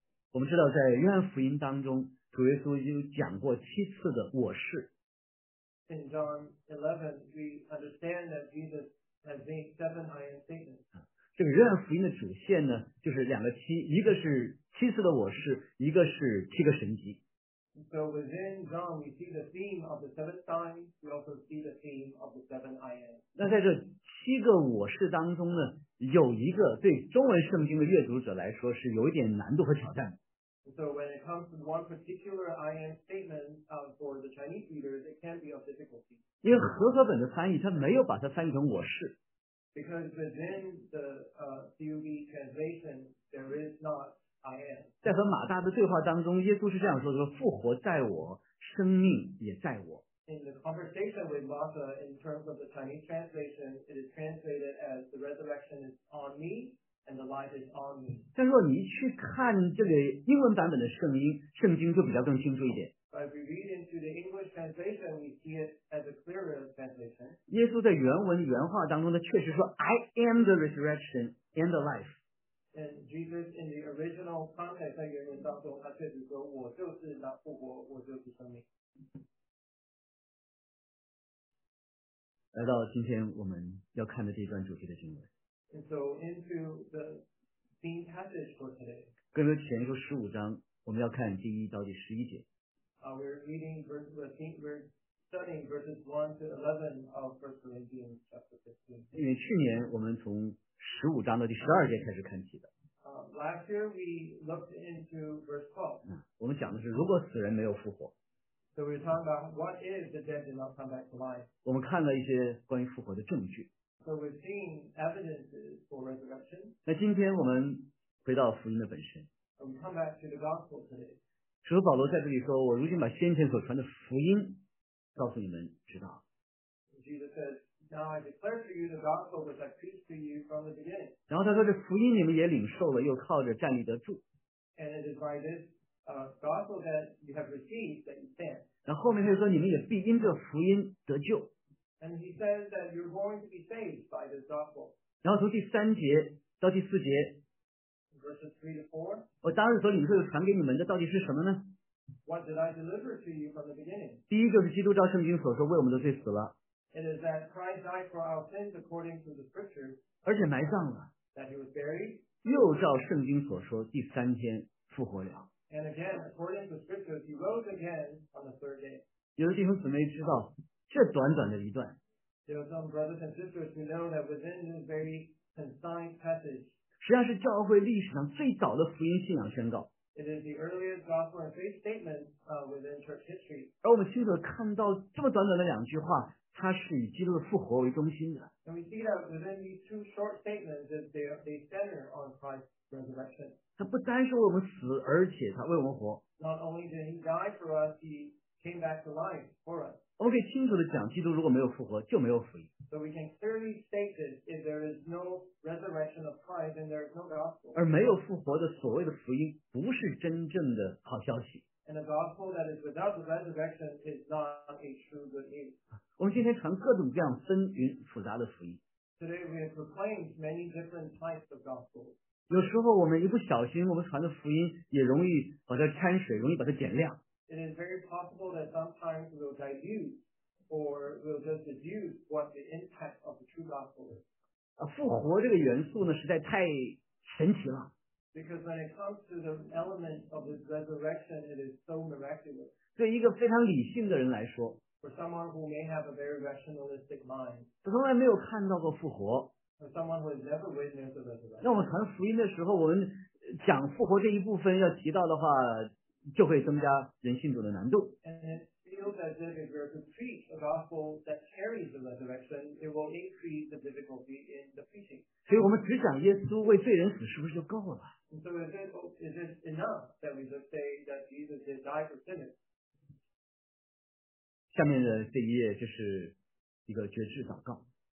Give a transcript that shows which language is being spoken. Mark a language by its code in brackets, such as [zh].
[zh] 我们知道，在约翰福音当中，主耶稣已经讲过七次的我是。 [en] In John 11, we understand that Jesus. Has been seven I am statements. [zh] 这个约翰福音的主线呢，就是两个七，一个是七次的我是，一个是七个神迹。 [en] So within John, we see the theme of the seven signs. We also see the theme of the seven I am. [zh] 那在这七个我是当中呢，有一个对中文圣经的阅读者来说是有一点难度和挑战。 [en] So when it comes to one particular I am statement, for the Chinese readers, it can be a difficulty. [zh] 因为和合本的翻译，它没有把它翻译成我是。 [en] Because within the CUB translation, there is not I am. [zh] 在和马大的对话当中，耶稣是这样说的：“复活在我，生命也在我。” [en] In the conversation with Martha, in terms of the Chinese translation, it is translated as the resurrection is on me. And the life is on me. [zh] 但若你去看这个英文版本的圣经，圣经就比较更清楚一点。 [en] But if we read into the English translation, we see it as a clearer translation. [zh] 耶稣在原文原话当中呢，确实说 [en] I am the resurrection and the life. And Jesus in the original context [zh] 在原文当中，他确实说我就是那复活，我就是生命。来到今天我们要看的这一段主题的经文。 [en] And so into the theme passage for today. [zh] 跟着前书十五章，我们要看第一到第十一节。 [en] We're studying verses 1-11 of 1 Corinthians chapter 15. [zh] 因为去年我们从十五章的第十二节开始看起的。 [en] Last year we looked into verse 12. [zh] 我们讲的是如果死人没有复活。 [en] So we're talking about what if the dead did not come back to life. [zh] 我们看了一些关于复活的证据。 [en] So we've seen evidences for resurrection. [zh] 那今天我们回到福音的本身。 [en] We come back to the gospel today. [zh] 使徒保罗在这里说：“我如今把先前所传的福音告诉你们知道。” [en] Jesus says, "Now I declare to you the gospel which I preached to you from the beginning." [zh] 然后他说：“这福音你们也领受了，又靠着站立得住。” [en] And it is by this gospel that you have received that you stand. [zh] 然后后面他说：“你们也必因这福音得救。” [en] And he says that you're going to be saved by this gospel. [zh] 然后从第三节到第四节 [en] ，verses 3-4. [zh] 我当日所领受又传给你们的到底是什么呢 [en] ？What did I deliver to you from the beginning? [zh] 第一个是基督照圣经所说为我们的罪死了。 [en] It is that Christ died for our sins according to the scriptures. [zh] 而且埋葬了。 [en] That he was buried. [zh] 又照圣经所说第三天复活了。 [en] And again, according to scriptures, he rose again on the third day. [zh] 有的弟兄姊妹知道。这短短的一段 [en] ，There are some brothers and sisters who know that within this very concise passage， [zh] 实际上是教会历史上最早的福音信仰宣告。 [en] It is the earliest gospel and faith statement within church history。 [zh] 而我们清楚看到这么短短的两句话，它是以基督的复活为中心的。 [en] And we see that within these two short statements, that they center on Christ's resurrection。 [zh] 他不单是为我们死，而且他为我们活。 [en] Not only did he die for us, he came back to life for us。 [zh] 我们可以清楚地讲，基督如果没有复活，就没有福音。 [en] So we can clearly state this: if there is no resurrection of Christ, then there is no gospel. [zh] 而没有复活的所谓的福音，不是真正的好消息。 [en] And a gospel that is without the resurrection is not a true good news. [zh] 我们今天传各种各样纷纭复杂的福音。 [en] Today we have proclaimed many different types of gospels. [zh] 有时候我们一不小心，我们传的福音也容易把它掺水，容易把它减量。 [en] It is very possible that sometimes we'll dilute or we'll just deduce what the impact of the true gospel is. [zh] 复活这个元素呢，实在太神奇了。 [en] Because when it comes to the element of the resurrection, it is so miraculous. [zh] 对一个非常理性的人来说 [en] ，For someone who may have a very rationalistic mind, [zh] 从来没有看到过复活。 [en] For someone who has never witnessed the resurrection. [zh] 那我们传福音的时候，我们讲复活这一部分要提到的话。就会增加人信主的难度。 [en] And it feels as if we're to preach a gospel that carries the resurrection, it will increase the difficulty in the preaching. [zh] 所以我们只讲耶稣为罪人死，是不是就够了？ [en] And so is it enough that we just say that Jesus did die for sinners? [zh] 下面的这一页就是一个决志祷告。